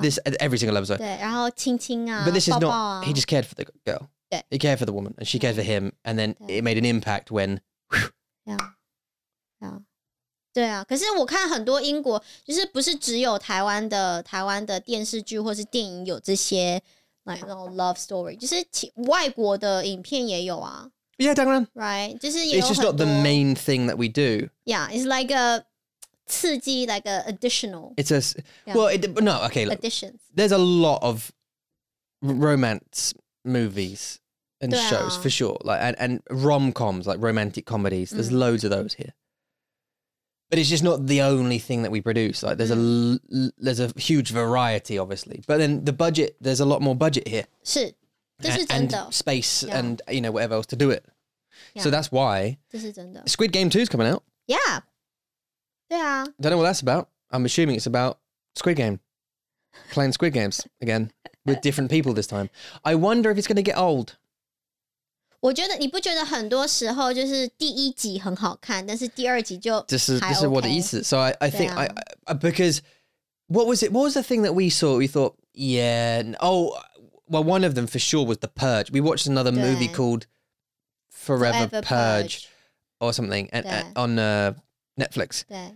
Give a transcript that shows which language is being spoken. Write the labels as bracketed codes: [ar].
[en] This, every single episode. [zh] 对,然后亲亲啊,抱抱啊。 [en] But this is not, he just cared for the girl. He cared for the woman and she cared for him. And then it made an impact when... Yeah. [zh] 可是我看很多英国就是不是只有台湾的电视剧或是电影有这些 [en] like no love story. [zh] 就是外国的影片也有啊。 Yeah, 当然. Right? 就是也有很多, [en] it's just not the main thing that we do. Yeah, it's like a [zh] 刺激, [en] like a additional. It's a... Well, it, no, okay. Look, additions. There's a lot of romance movies and shows, for sure. Like and rom-coms, like romantic comedies. There's loads of those here. But it's just not the only thing that we produce. Like there's a huge variety, obviously. But then the budget, there's a lot more budget here. [zh] 是。 [en] And space and, you know, whatever else to do it. Yeah. So that's why. Squid Game 2 is coming out. Yeah. Yeah. Don't know what that's about. I'm assuming it's about Squid Game. Playing Squid Games again with different people this time. I wonder if it's going to get old. [zh] 我觉得你不觉得很多时候就是第一集很好看,但是第二集就 [en] This is what it is. So I think, because what was it? What was the thing that we saw? We thought, yeah, oh... Well, one of them for sure was The Purge. We watched another movie called Forever Purge or something on Netflix.